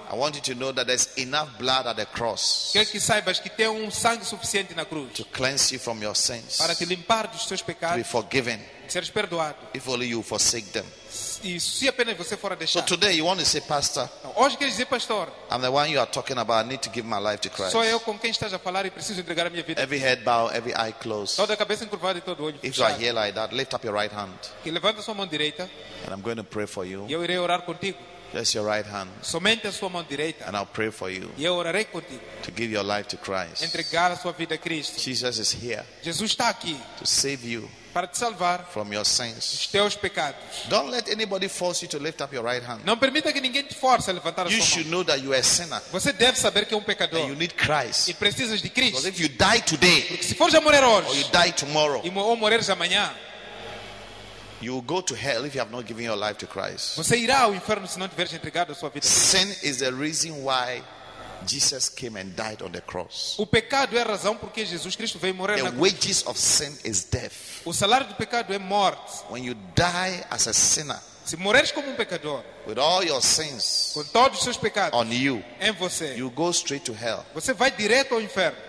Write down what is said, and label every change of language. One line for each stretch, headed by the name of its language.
English: I want you to know that there's enough blood at the cross.
Portuguese: Quero que saibas que tem sangue suficiente na cruz.
English: To cleanse you from your sins.
Portuguese: Para te limpar dos teus pecados.
English: To be forgiven.
Portuguese: Seres perdoado.
English: If only you forsake them.
Portuguese: Se apenas você for a deixar.
English: So today you want to say, Pastor?
Portuguese: Não, hoje quer dizer, Pastor?
English: I'm the one you are talking about. I need to give my life to Christ.
Portuguese: Sou eu com quem estás a falar e preciso entregar a minha vida.
English: Every head bow, every eye closed.
Portuguese: Toda a cabeça encurvada e todo olho fechado.
English: If you are here like that, lift up your right hand.
Portuguese: Que levanta sua mão direita.
English: And I'm going to pray for you.
Portuguese: E eu irei orar contigo.
English: Just your right hand.
Portuguese: Somente a sua mão direita.
English: And I'll pray for you.
Portuguese: E eu orarei contigo.
English: To give your life to Christ.
Portuguese: Entregar a sua vida a Cristo.
English: Jesus is here.
Portuguese: Jesus está aqui.
English: To save you.
Portuguese: Para te salvar
English: from your sins.
Portuguese: Dos teus pecados.
English: Don't let anybody force you to lift up your right hand.
Portuguese: Não permita que ninguém te force a levantar a sua
English: you
Portuguese: mão.
English: You should know that you are a sinner.
Portuguese: Você deve saber que é pecador.
English: And you need Christ.
Portuguese: E precisas de Cristo.
English: Because if you die today,
Portuguese: porque se fores a morrer hoje,
English: or you die tomorrow,
Portuguese: ou morreres amanhã,
English: you will go to hell if you have not given your life to Christ.
Portuguese: Você irá ao inferno se não tiveres entregado a sua vida.
English: Sin is the reason why Jesus came and died on the cross.
Portuguese: O pecado é a razão por que Jesus Cristo veio morrer na cruz.
English: The wages of sin is death.
Portuguese: O salário do pecado é morte.
English: When you die as a sinner,
Portuguese: se morreres como pecador,
English: with all your sins,
Portuguese: com todos os seus pecados,
English: on you,
Portuguese: em você,
English: you go straight to hell.
Portuguese: Você vai direto ao inferno.